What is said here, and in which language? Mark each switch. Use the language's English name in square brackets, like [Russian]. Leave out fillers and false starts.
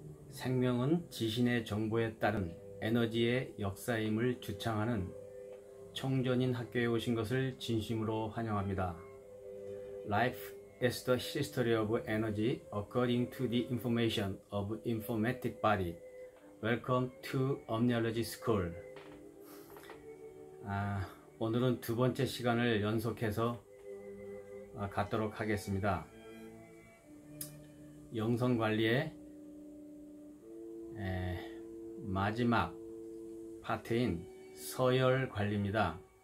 [Korean] 생명은 지신의 정보에 따른 에너지의 역사임을 주창하는 청전인 학교에 오신 것을 진심으로 환영합니다. [English] Life is the history of energy according to the information of informatic body. Welcome to Omniology School. [Korean] 오늘은 두 번째 시간을 연속해서 갖도록 하겠습니다. 영성관리의 마지막 파트인 서열관리입니다.